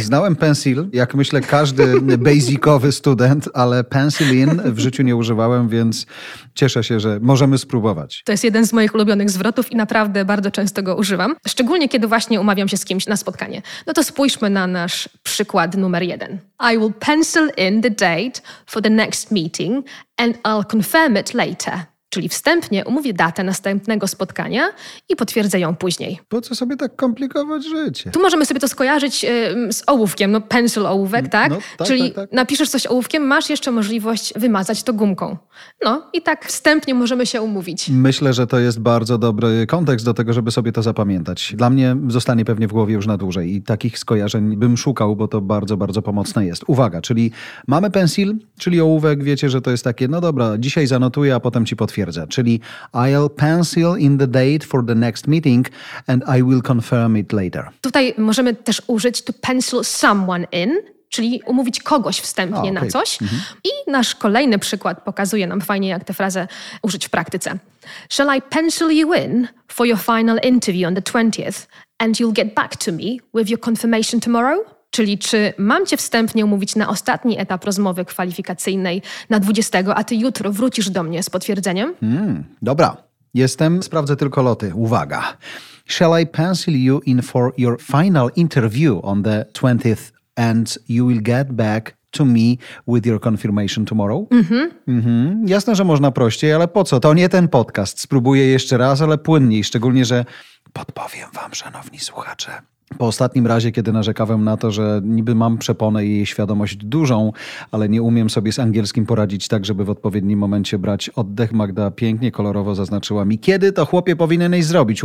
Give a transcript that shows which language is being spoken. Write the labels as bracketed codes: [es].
[pl] Znałem pencil, jak myślę każdy basicowy student, ale pencil in w życiu nie używałem, więc cieszę się, że możemy spróbować. To jest jeden z moich ulubionych zwrotów i naprawdę bardzo często go używam. Szczególnie, kiedy właśnie umawiam się z kimś na spotkanie. No to spójrzmy na nasz przykład numer jeden. [en] I will pencil in the date for the next meeting and I'll confirm it later. [pl] Czyli wstępnie umówię datę następnego spotkania i potwierdzę ją później. Po co sobie tak komplikować życie? Tu możemy sobie to skojarzyć z ołówkiem, no pencil ołówek, tak? No, tak. Czyli tak. Napiszesz coś ołówkiem, masz jeszcze możliwość wymazać to gumką. No i tak wstępnie możemy się umówić. Myślę, że to jest bardzo dobry kontekst do tego, żeby sobie to zapamiętać. Dla mnie zostanie pewnie w głowie już na dłużej i takich skojarzeń bym szukał, bo to bardzo, bardzo pomocne jest. Uwaga, czyli mamy pencil, czyli ołówek, wiecie, że to jest takie, no dobra, dzisiaj zanotuję, a potem ci potwierdzę. [en] Czyli I'll pencil in the date for the next meeting and I will confirm it later. [pl] Tutaj możemy też użyć to pencil someone in, czyli umówić kogoś wstępnie na coś. Mm-hmm. I nasz kolejny przykład pokazuje nam fajnie, jak tę frazę użyć w praktyce. [en] Shall I pencil you in for your final interview on the 20th and you'll get back to me with your confirmation tomorrow? [pl] Czyli czy mam cię wstępnie umówić na ostatni etap rozmowy kwalifikacyjnej na 20, a ty jutro wrócisz do mnie z potwierdzeniem? Dobra, jestem, sprawdzę tylko loty. Uwaga. [en] Shall I pencil you in for your final interview on the 20th and you will get back to me with your confirmation tomorrow? Mhm. Mhm. [pl] Jasne, że można prościej, ale po co? To nie ten podcast. Spróbuję jeszcze raz, ale płynniej, szczególnie, że podpowiem wam, szanowni słuchacze. Po ostatnim razie, kiedy narzekałem na to, że niby mam przeponę i jej świadomość dużą, ale nie umiem sobie z angielskim poradzić tak, żeby w odpowiednim momencie brać oddech, Magda pięknie, kolorowo zaznaczyła mi, kiedy to chłopie powinieneś zrobić.